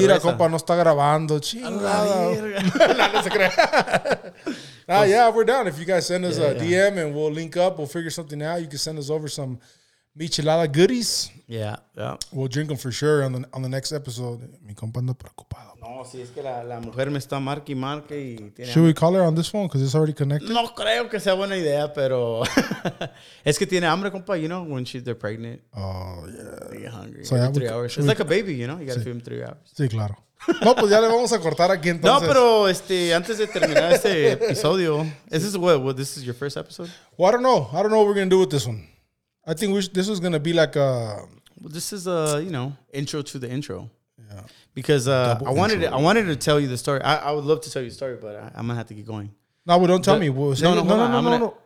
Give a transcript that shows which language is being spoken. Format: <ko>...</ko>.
<es>Mira, compa, no está grabando. Chingada.</es> <en>yeah, we're down. If you guys send us a DM and we'll link up, we'll figure something out. You can send us over some michelada goodies. Yeah. We'll drink them for sure on the next episode.</en> <es>Mi compa anda preocupado. No, si es que la mujer me está marque y marque y tiene.</es> <en>Should we call her on this phone? Because it's already connected.</en> <es>No creo que sea buena idea, pero es que tiene hambre, compa.</es> <en>You know, when they're pregnant. Oh, yeah. They get hungry. So yeah, 3 hours. It's like a baby, you know? You got to feed them 3 hours.</en> <es>Sí, claro. No, pues ya le vamos a cortar aquí entonces. No, pero antes de terminar este episodio.</es> <en>This is your first episode? Well, I don't know what we're going to do with this one. I think this is going to be like a. Well, this is a, you know, intro to the intro. Yeah. Because I wanted to tell you the story. I would love to tell you a story, but I'm gonna have to get going. No, well, don't tell me. We'll say No.</en>